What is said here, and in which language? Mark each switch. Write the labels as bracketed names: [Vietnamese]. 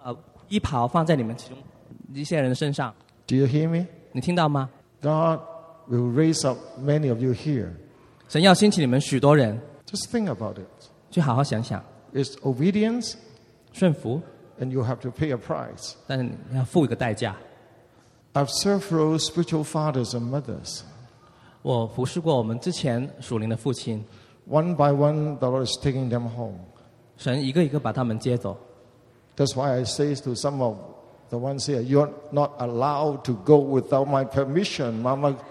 [Chinese] 我感觉神要把这个衣袍放在你们其中一些人身上。 [English] Do you hear me? [Chinese] 你听到吗? [English] God will raise up many of you here. [Chinese] 神要兴起你们许多人。 [English] Just think about it. [Chinese] 去好好想想。 [English] It's obedience. [Chinese] 顺服。 [English] And you have to pay a price. [Chinese] 但你要付一个代价。 [English] I've served through spiritual fathers and mothers. [Chinese] 我服侍过我们之前属灵的父亲。 [English] One by one, the Lord is taking them home. [Chinese] 神一个一个把他们接走。 [English] That's why I say to some of the ones here, you're not allowed to go without my permission, Mama.